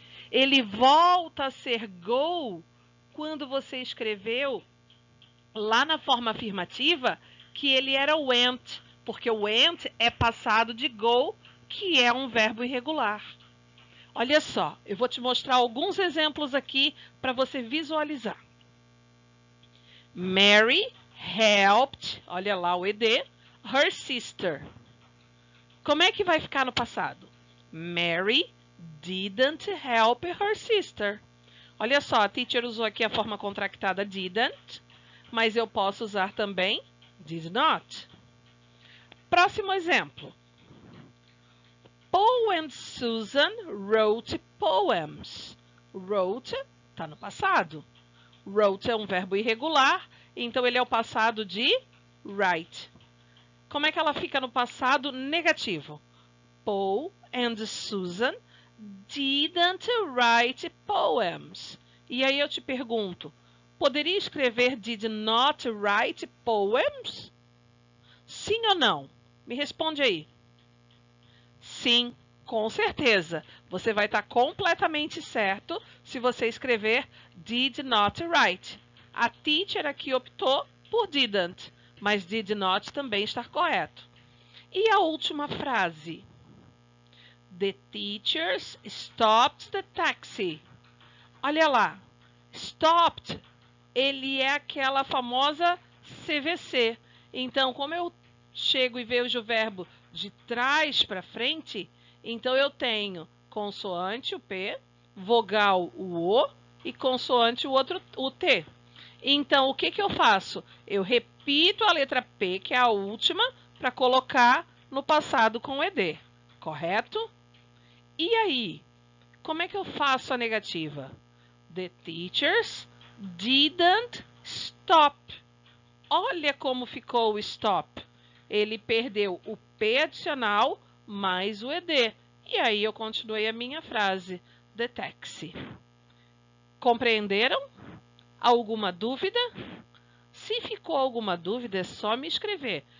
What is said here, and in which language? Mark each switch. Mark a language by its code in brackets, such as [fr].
[pt] Ele volta a ser go quando você escreveu lá na forma afirmativa que ele era went, porque o went é passado de go, que é um verbo irregular. Olha só, eu vou te mostrar alguns exemplos aqui para você visualizar. [en] Mary helped, [pt] olha lá o ED, [en] her sister. [pt] Como é que vai ficar no passado? [en] Mary didn't help her sister. [pt] Olha só, a teacher usou aqui a forma contractada didn't, mas eu posso usar também did not. Próximo exemplo. [en] Paul and Susan wrote poems. [pt] Wrote está no passado. Wrote é um verbo irregular, então ele é o passado de write. Como é que ela fica no passado negativo? [en] Paul and Susan didn't write poems. [pt] E aí eu te pergunto, poderia escrever [en] did not write poems? [pt] Sim ou não? Me responde aí. Sim. Com certeza, você vai estar completamente certo se você escrever [en] did not write. [pt] A teacher aqui optou por didn't, mas did not também está correto. E a última frase? [en] The teachers stopped the taxi. [pt] Olha lá, stopped, ele é aquela famosa CVC. Então, como eu chego e vejo o verbo de trás para frente, então, eu tenho consoante o P, vogal o O e consoante o outro o T. Então, o que que eu faço? Eu repito a letra P, que é a última, para colocar no passado com ED, correto? E aí, como é que eu faço a negativa? [en] The teachers didn't stop. [pt] Olha como ficou o stop. Ele perdeu o P adicional mais o ED. E aí eu continuei a minha frase, [en] the taxi. [pt] Compreenderam? Alguma dúvida? Se ficou alguma dúvida, é só me escrever.